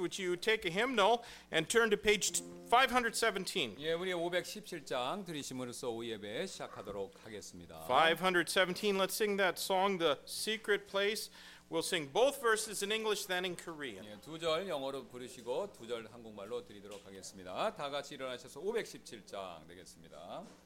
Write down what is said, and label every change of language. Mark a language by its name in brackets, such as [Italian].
[English] Would you take a hymnal and turn to page 517? [Korean] 예, 우리 517장 드리심으로써 오후 예배 시작하도록 하겠습니다. [English] 517. Let's sing that song, The Secret Place. We'll sing both verses in English, then in Korean. [Korean] 예, 두 절 영어로 부르시고 두 절 한국말로 드리도록 하겠습니다. 다 같이 일어나셔서 517장 되겠습니다.